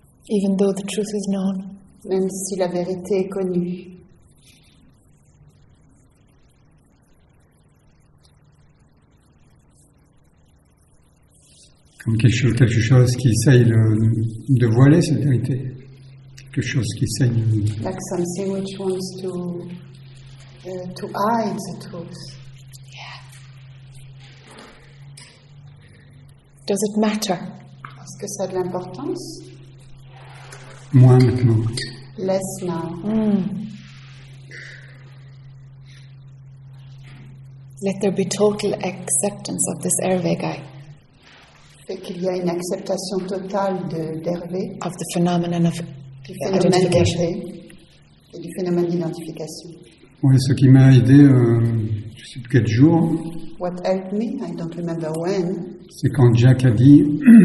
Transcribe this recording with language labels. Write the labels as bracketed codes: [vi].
[en] Even though the truth is known. [fr] Même si la vérité est connue. Comme quelque chose qui essaye de voiler cette vérité. Quelque chose qui essaye de... [en] Like something which wants to hide the truth. Yeah. Does it matter? [fr] Est-ce que ça a de l'importance? Moins maintenant. [en] Less now. Let there be total acceptance of this Hervé guy. [fr] Fait qu'il y a une acceptation totale d'Hervé. [en] Of the phenomenon of identification. [fr] Et du phénomène d'identification. Oui, ce qui m'a aidé, je ne sais plus quel jour. [en] What helped me, I don't remember when. [fr] C'est quand Jack a dit...